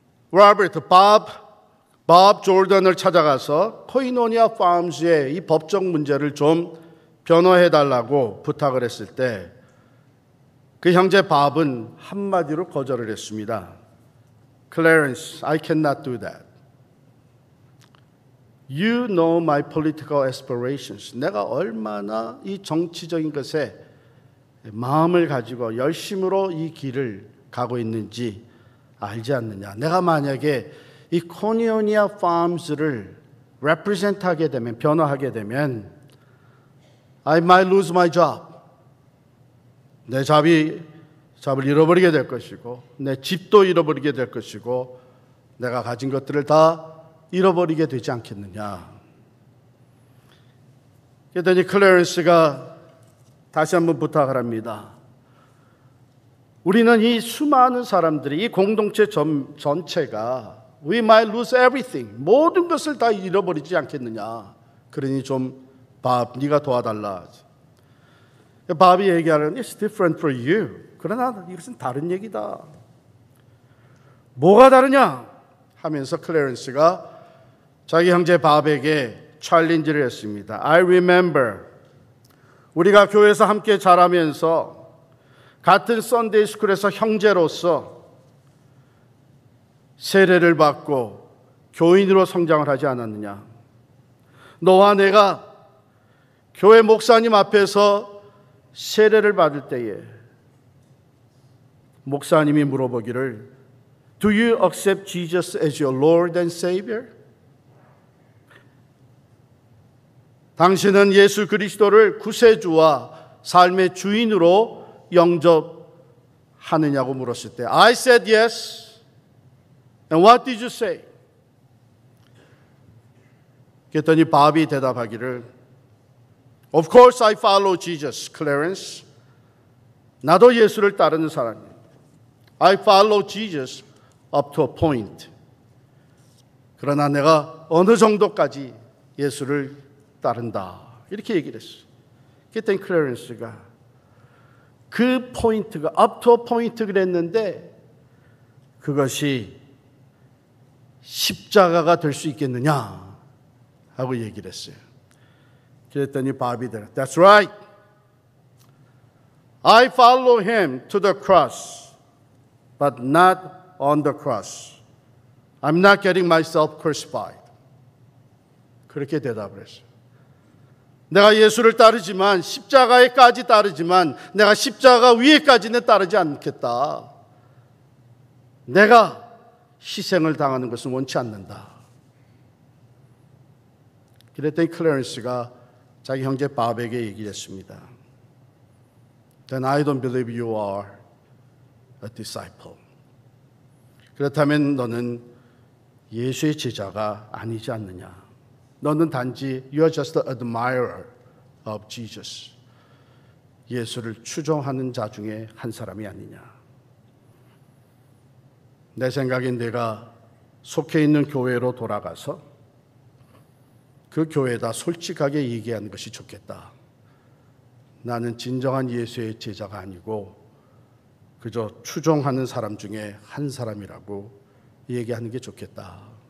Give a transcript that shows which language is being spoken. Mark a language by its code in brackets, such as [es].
[ko] 로버트, 밥 조던을 찾아가서 코이노니아 팜즈의 이 법적 문제를 좀 변호해달라고 부탁을 했을 때 그 형제 밥은 한마디로 거절을 했습니다. [en] Clarence, I cannot do that. You know my political aspirations. [ko] 내가 얼마나 이 정치적인 것에 마음을 가지고 열심으로 이 길을 가고 있는지 알지 않느냐. 내가 만약에 이 코니오니아 팜스를 represent하게 되면, 변호하게 되면 [en] I might lose my job. [ko] 내 잡을 잃어버리게 될 것이고 내 집도 잃어버리게 될 것이고 내가 가진 것들을 다 잃어버리게 되지 않겠느냐. 그랬더니 클레런스가 다시 한번 부탁을 합니다. 우리는 이 수많은 사람들이 이 공동체 전체가 [en] We might lose everything. [ko] 모든 것을 다 잃어버리지 않겠느냐. 그러니 좀 밥 네가 도와달라. 밥이 얘기하는 [en] It's different for you. [ko] 그러나 이것은 다른 얘기다. 뭐가 다르냐 하면서 클레런스가 자기 형제 밥에게 챌린지를 했습니다. [en] I remember [ko] 우리가 교회에서 함께 자라면서 같은 선데이 스쿨에서 형제로서 세례를 받고 교인으로 성장을 하지 않았느냐. 너와 내가 교회 목사님 앞에서 세례를 받을 때에 목사님이 물어보기를 [en] Do you accept Jesus as your Lord and Savior? [ko] 당신은 예수 그리스도를 구세주와 삶의 주인으로 영접하느냐고 물었을 때 [en] I said yes. And what did you say? [ko] 그랬더니 바비 대답하기를 [en] Of course I follow Jesus, Clarence. [ko] 나도 예수를 따르는 사람입니다. [en] I follow Jesus up to a point. [ko] 그러나 내가 어느 정도까지 예수를 따른다. 이렇게 얘기를 했어요. 그랬더니 클레런스가 그 포인트가 [en] up to a point [ko] 그랬는데 그것이 십자가가 될 수 있겠느냐 하고 얘기를 했어요. 그랬더니 바비 대답 [en] That's right. I follow him to the cross but not on the cross. I'm not getting myself crucified. [ko] 그렇게 대답을 했어요. 내가 예수를 따르지만 십자가에까지 따르지만 내가 십자가 위에까지는 따르지 않겠다. 내가 희생을 당하는 것은 원치 않는다. 그랬더니 클레런스가 자기 형제 밥에게 얘기했습니다. [en] Then I don't believe you are a disciple. [ko] 그렇다면 너는 예수의 제자가 아니지 않느냐. 너는 단지 [en] You are just an admirer of Jesus. [ko] 예수를 추종하는 자 중에 한 사람이 아니냐. 내 생각엔 내가 속해 있는 교회로 돌아가서 그 교회에다 솔직하게 얘기하는 것이 좋겠다. 나는 진정한 예수의 제자가 아니고 그저 추종하는 사람 중에 한 사람이라고 얘기하는 게 좋겠다.